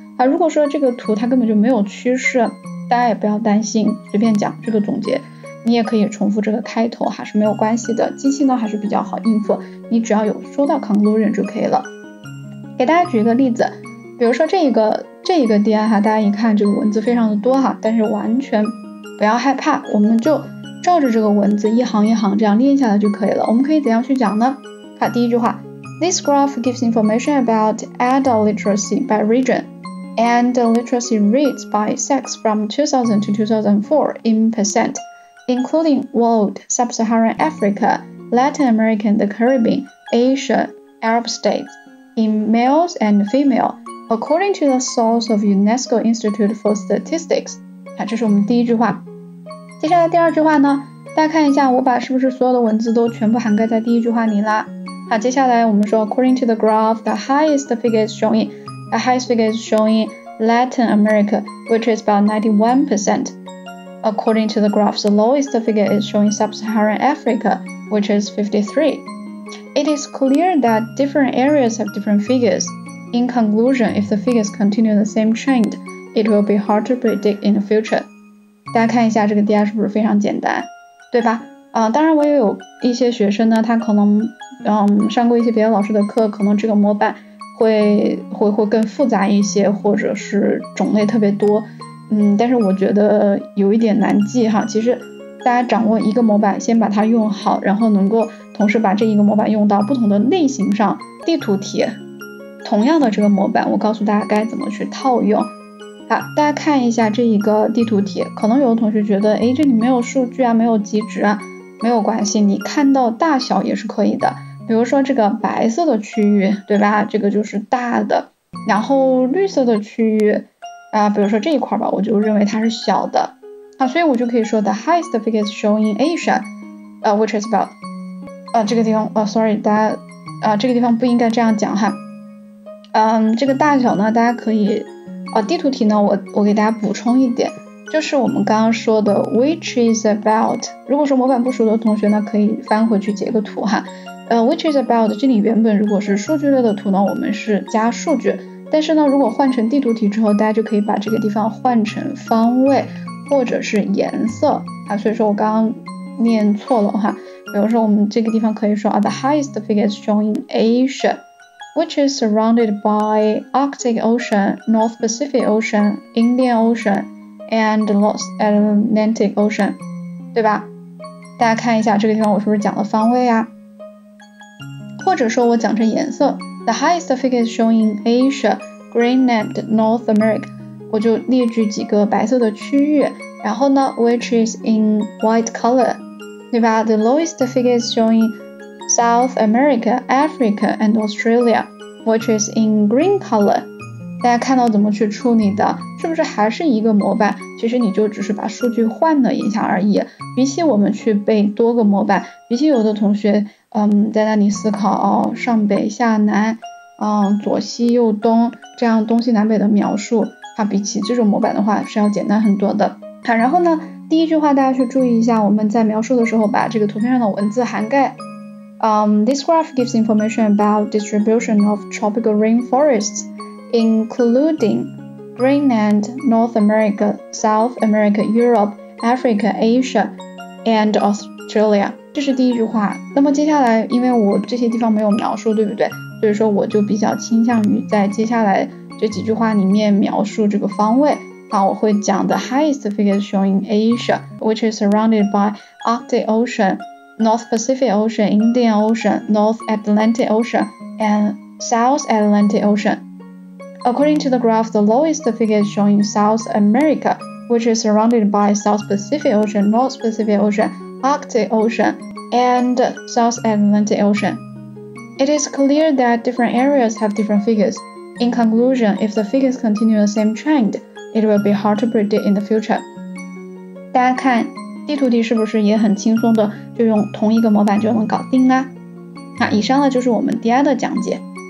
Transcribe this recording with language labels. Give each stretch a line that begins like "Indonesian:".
Chinese: 如果说这个图它根本就没有趋势，大家也不要担心，随便讲这个总结，你也可以重复这个开头还是没有关系的，机器呢还是比较好应付，你只要有说到 conclusion 就可以了。给大家举一个例子，比如说这一个 DI 哈，大家一看这个文字非常的多哈，但是完全不要害怕，我们就照着这个文字一行一行这样练下来就可以了。我们可以怎样去讲呢？好，第一句话
English: This graph gives information about adult literacy by regionand the literacy rates by sex from 2000 to 2004 in percent, including world, sub-Saharan Africa, Latin American, the Caribbean, Asia, Arab states, in males and female, according to the source of UNESCO Institute for Statistics.
Chinese: 这是我们第一句话。接下来第二句话呢，大家看一下我把是不是所有的文字都全部涵盖在第一句话里了。好，接下来我们说
English: according to the graph, the highest figure is showing,The highest figure is showing Latin America, which is about 91%. According to the graphs, the lowest figure is showing Sub-Saharan Africa, which is 53%. It is clear that different areas have different figures. In conclusion, if the figures continue the same trend, it will be hard to predict in the future.
Chinese: 大家看一下这个 DI 是不是非常简单，对吧？当然我也有一些学生呢，他可能上过一些别的老师的课，可能这个模板会更复杂一些，或者是种类特别多，但是我觉得有一点难记哈。其实大家掌握一个模板，先把它用好，然后能够同时把这一个模板用到不同的类型上，地图题同样的这个模板，我告诉大家该怎么去套用。好，大家看一下这一个地图题，可能有的同学觉得这里没有数据啊，没有极值啊，没有关系，你看到大小也是可以的。比如说这个白色的区域，对吧？这个就是大的。然后绿色的区域比如说这一块吧，我就认为它是小的。所以我就可以说
English: the highest figure is showing Asia, which is about
Chinese: 这个地方
English: sorry
Chinese: 大家这个地方不应该这样讲哈。这个大小呢大家可以地图题呢我给大家补充一点，就是我们刚刚说的
English: which is about，
Chinese: 如果说模板不熟的同学呢可以翻回去截个图哈。
English: which is about
Chinese: 这里原本如果是数据类的图呢我们是加数据，但是呢如果换成地图题之后大家就可以把这个地方换成方位或者是颜色啊，所以说我刚刚念错了哈。比如说我们这个地方可以说
English: the highest peak is shown in Asia which is surrounded by Arctic Ocean, North Pacific Ocean, Indian Ocean and North Atlantic Ocean，
Chinese: 对吧？大家看一下这个地方我是不是讲了方位呀，或者说我讲成颜色。
English: The highest peak is shown in Asia, Greenland, North America。
Chinese: 我就列举几个白色的区域，然后呢，
English: which is in white color，
Chinese: 对吧？
English: The lowest peak is shown in South America, Africa, and Australia，which is in green color。
Chinese: 大家看到怎么去处理的？是不是还是一个模板？其实你就只是把数据换了一下而已。比起我们去背多个模板，比起有的同学，在那里思考哦，上北下南，左西右东，这样东西南北的描述，它比起这种模板的话是要简单很多的。好，然后呢，第一句话大家去注意一下，我们在描述的时候把这个图片上的文字涵盖。
English: This graph gives information about distribution of tropical rainforests. Including Greenland, North America, South America, Europe, Africa, Asia, and Australia。
Chinese: 这是第一句话。那么接下来，因为我这些地方没有描述，对不对？所以说我就比较倾向于在接下来这几句话里面描述这个方位。好，我会讲
English: the highest peak is shown in Asia, which is surrounded by Arctic Ocean, North Pacific Ocean, Indian Ocean, North Atlantic Ocean, and South Atlantic Ocean. According to the graph, the lowest peak is shown in South America, which is surrounded by South Pacific Ocean, North Pacific Ocean, Arctic Ocean, and South Atlantic Ocean. It is clear that different areas have different figures. In conclusion, if the figures continue the same trend, it will be hard to predict in the future.
Chinese: 大家看，地图题是不是也很轻松的就用同一个模板就能搞定啦？那以上呢就是我们第二的讲解。